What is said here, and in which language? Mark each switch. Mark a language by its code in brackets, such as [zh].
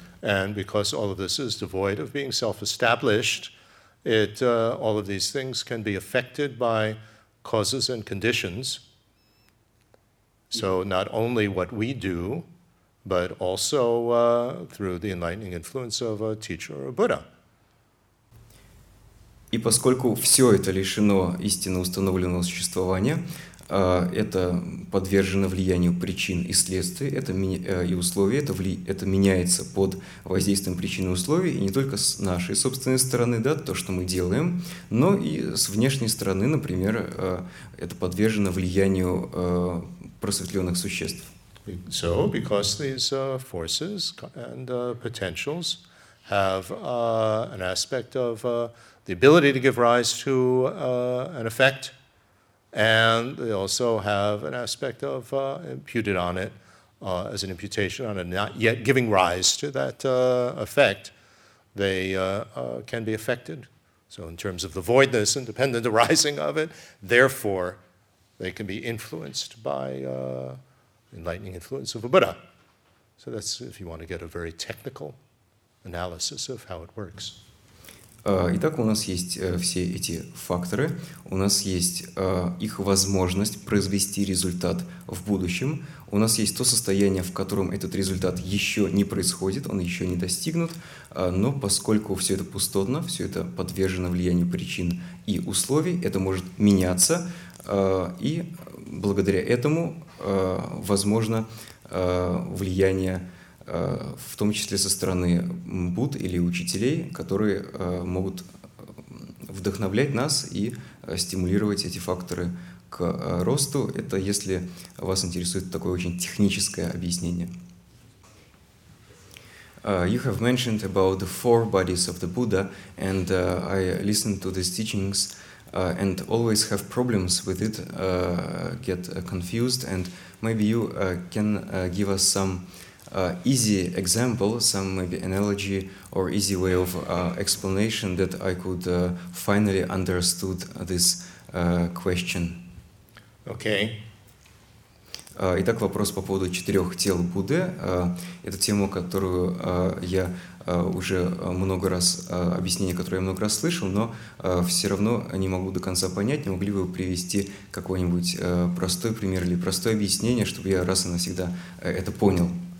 [en] And because all of this is devoid of being self-established, all of these things can be affected by causes and conditions. So not only what we do, but also through the enlightening influence of a teacher or a Buddha. [ru] И поскольку все это лишено истинно установленного существования, это подвержено влиянию причин и следствий, и условия, это меняется под воздействием причин и условий, и не только с нашей собственной стороны, да, то, что мы делаем, но и с внешней стороны, например, это подвержено влиянию просветленных существ. [en] So, because these forces and potentials have an aspect of the ability to give rise to an effect, and they also have an aspect of imputed on it as an imputation on it, not yet giving rise to that effect, they can be affected. So, in terms of the voidness and dependent arising of it, therefore, they can be influenced by enlightening influence of a Buddha. So that's if you want to get a very technical analysis of how it works. [ru] Итак, у нас есть все эти факторы. У нас есть их возможность произвести результат в будущем. У нас есть то состояние, в котором этот результат еще не происходит, он еще не достигнут. Но поскольку все это пустотно, все это подвержено влиянию причин и условий, это может меняться. И благодаря этому возможно влияние, в том числе со стороны Будд или учителей, которые могут вдохновлять нас и стимулировать эти факторы к росту. Это если вас интересует такое очень техническое объяснение. [en] You have mentioned about the four bodies of the Buddha, and I listened to these teachings and always have problems with it, get confused, and maybe you can give us some easy example, some maybe analogy or easy way of explanation that I could finally understood this question. Okay. [ru] Итак, вопрос по поводу четырех тел Будды. Это тема, которую я уже много раз, объяснение, которое я много раз слышал, но все равно не могу до конца понять. Не могли бы вы привести какой-нибудь простой пример или простое объяснение, чтобы я раз и навсегда это понял?